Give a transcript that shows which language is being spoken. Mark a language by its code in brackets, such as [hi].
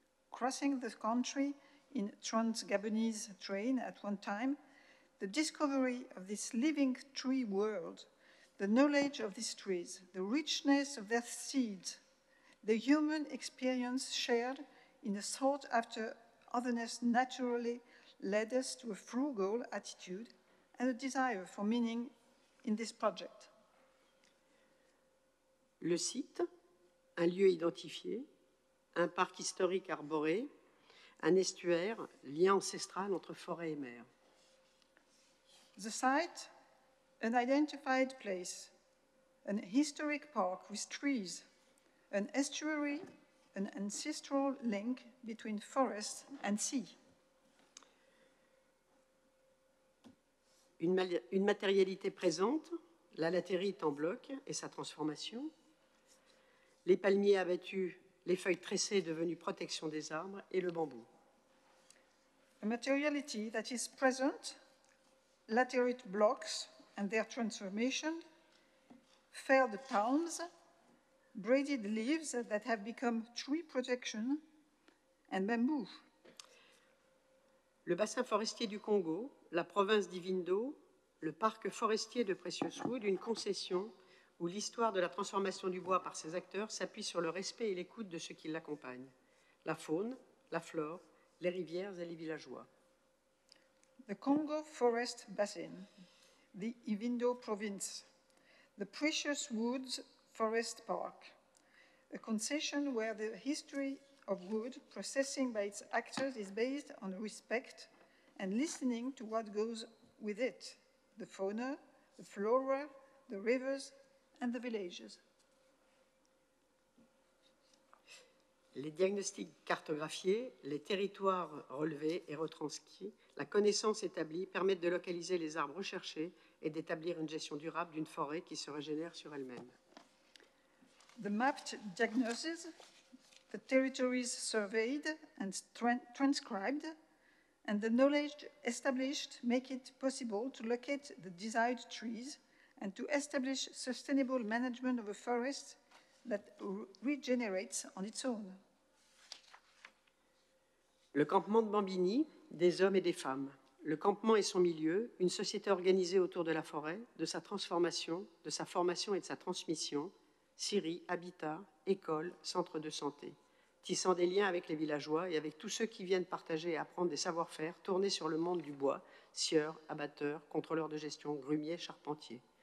[en] Crossing the country in trans-Gabonese train at one time, the discovery of this living tree world, the knowledge of these trees, the richness of their seeds, the human experience shared in a sought-after otherness naturally led us to a frugal attitude and a desire for meaning in this project. [fr] le site, un lieu identifié, un parc historique arboré, un estuaire, lien ancestral entre forêt et mer. [en] The site, an identified place, an historic park with trees, an estuary, an ancestral link between forest and sea. [fr] Une matérialité présente, la latérite en bloc et sa transformation, les palmiers abattus, les feuilles tressées devenues protection des arbres et le bambou. [en] A materiality that is present, latérite blocks and their transformation, felled palms, braided leaves that have become tree protection and bamboo. [fr] Le bassin forestier du Congo, la province d'Ivindo, le parc forestier de Precious Wood, une concession où l'histoire de la transformation du bois par ses acteurs s'appuie sur le respect et l'écoute de ceux qui l'accompagnent, la faune, la flore, les rivières et les villageois. [en] The Congo Forest Basin, the Ivindo Province, the Precious Woods Forest Park, a concession where the history of wood processing by its actors is based on respect and listening to what goes with it. The fauna, the flora, the rivers, and the villages. [fr] Les diagnostics cartographiés, les territoires relevés et retranscrits, la connaissance établie permettent de localiser les arbres recherchés et d'établir une gestion durable d'une forêt qui se régénère sur elle-même. [en] The mapped diagnoses, the territories surveyed and transcribed, and the knowledge established make it possible to locate the desired trees and to establish sustainable management of a forest that regenerates on its own. [fr] Le campement de Bambini, des hommes et des femmes. Le campement et son milieu, une société organisée autour de la forêt, de sa transformation, de sa formation et de sa transmission, scierie, habitat, école, centre de santé. Tissant des liens avec les villageois et avec tous ceux qui viennent partager et apprendre des savoir-faire tournés sur le monde du bois, scieurs, abatteurs, contrôleurs de gestion, grumiers, charpentiers.